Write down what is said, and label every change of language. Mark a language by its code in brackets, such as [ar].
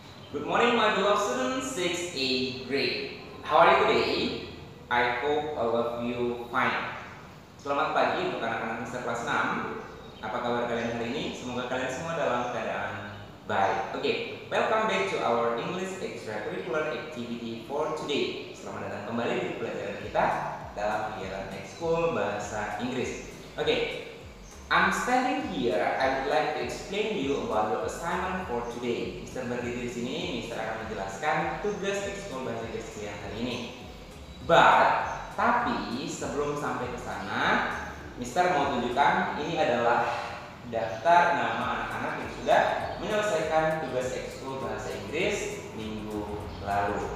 [en] Good morning, my beloved students, 6A grade. How are you today? I hope all of you fine. [id] Selamat pagi untuk anak-anak Mister kelas 6. Apa kabar kalian hari ini? Semoga kalian semua dalam keadaan baik. [en] Okay, welcome back to our English extracurricular activity for today. [id] Selamat datang kembali di pelajaran kita dalam kegiatan ekskul bahasa Inggris. [en] Okay. I'm standing here. I would like to explain you about your assignment for today. [id] Mister berdiri di sini. Mister akan menjelaskan tugas ekskul bahasa Inggris kalian hari ini. Tapi sebelum sampai ke sana, Mister mau tunjukkan ini adalah daftar nama anak-anak yang sudah menyelesaikan tugas ekskul bahasa Inggris minggu lalu.